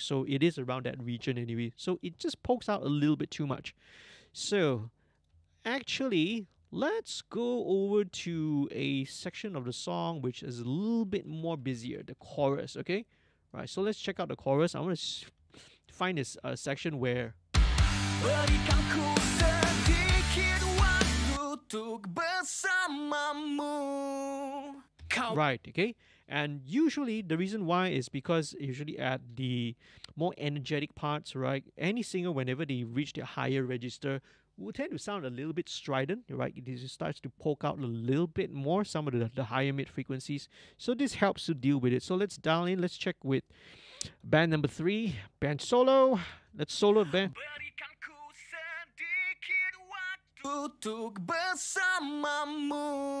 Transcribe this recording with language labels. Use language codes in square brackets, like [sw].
[en] So it is around that region anyway. So it just pokes out a little bit too much. So actually, let's go over to a section of the song which is a little bit more busier, the chorus, okay? Right, so let's check out the chorus. I want to find this section where [id] berikanku sedikit waktu untuk bersamamu. Kau. [en] Right, okay? And usually, the reason why is because usually at the more energetic parts, right, any singer, whenever they reach their higher register, will tend to sound a little bit strident, right? It just starts to poke out a little bit more, some of the higher mid frequencies. So this helps to deal with it. So let's dial in, let's check with band number 3, band solo. Let's solo band. [id] Berikanku sedikit waktu untuk bersamamu.